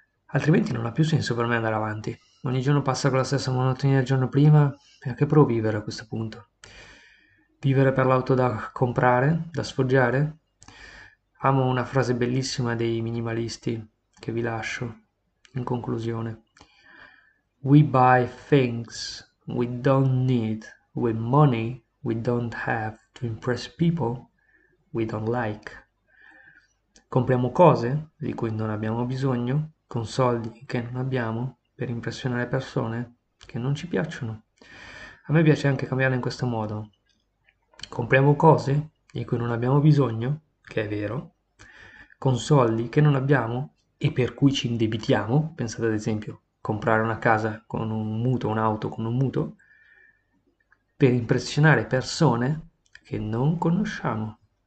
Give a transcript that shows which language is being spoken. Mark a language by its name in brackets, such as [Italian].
[Italian] Altrimenti non ha più senso per me andare avanti. Ogni giorno passa con la stessa monotonia del giorno prima, e a che provo vivere a questo punto? Vivere per l'auto da comprare, da sfoggiare? Amo una frase bellissima dei minimalisti che vi lascio in conclusione. [English] We buy things we don't need with money we don't have to impress people we don't like. [Italian] Compriamo cose di cui non abbiamo bisogno, con soldi che non abbiamo, per impressionare persone che non ci piacciono. A me piace anche cambiare in questo modo. Compriamo cose di cui non abbiamo bisogno, che è vero, con soldi che non abbiamo e per cui ci indebitiamo, pensate ad esempio comprare una casa con un mutuo, un'auto con un mutuo, per impressionare persone che non conosciamo.